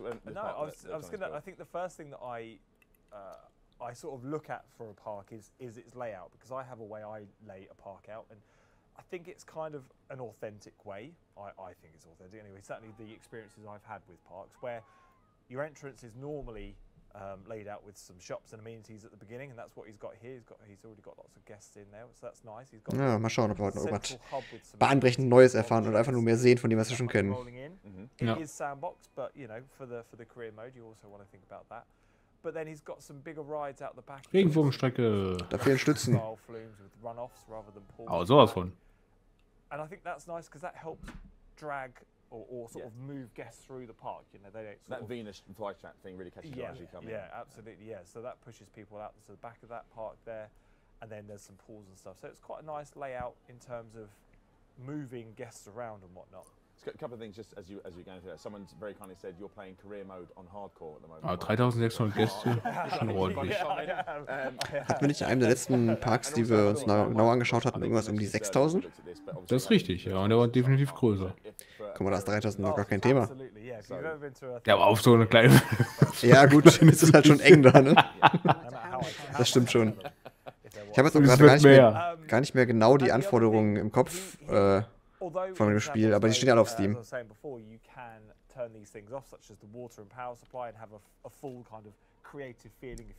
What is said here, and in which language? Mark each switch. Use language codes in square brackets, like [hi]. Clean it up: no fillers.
[en] I think the first thing that I sort of look at for a park is its layout, because I have a way I lay a park out, and I think it's kind of an authentic way. I think it's authentic anyway. Certainly the experiences I've had with parks, where your entrance is normally laid out with some shops and amenities at the beginning, and that's what he's got here. He's already got lots of guests in there, so that's nice. He's got [de] mal schauen, ob wir heute noch was bahnbrechend Neues erfahren oder einfach nur mehr sehen von dem, was wir schon kennen. [en] It is sandbox, but you know, for the career mode, you also want to think about that. But then he's got some bigger rides out the back. [de] Regenwurmstrecke. Da fehlen Stützen. Oh, sowas von. [en] And I think that's nice, because that helps drag or sort of move guests through the park. You know, they don't that Venus flytrap thing really catches your eye as you come in. Yeah, absolutely. Yeah, so that pushes people out to the back of that park there. And then there's some pools and stuff. So it's quite a nice layout in terms of moving guests around and whatnot. A couple of things just as you're going through there. Someone's very kindly said you're playing career mode on hardcore at the moment. [de] Ah, 3600 Gäste. Schon ordentlich. Hatten wir nicht in einem der letzten Parks, die wir uns genau angeschaut hatten, irgendwas um die 6000? Das ist richtig, ja, und der war definitiv größer. Guck mal, da ist 3000 noch gar kein Thema. Ja, aber auf so eine kleine. Ja, gut, dann ist es halt schon eng da, ne? Das stimmt schon. Ich habe jetzt auch gerade gar nicht mehr genau die Anforderungen im Kopf. Von dem Spiel, aber die stehen ja alle auf Steam. [en] As I was saying before, you can turn these things off, such as the water and power supply, and have a full kind of creative feeling.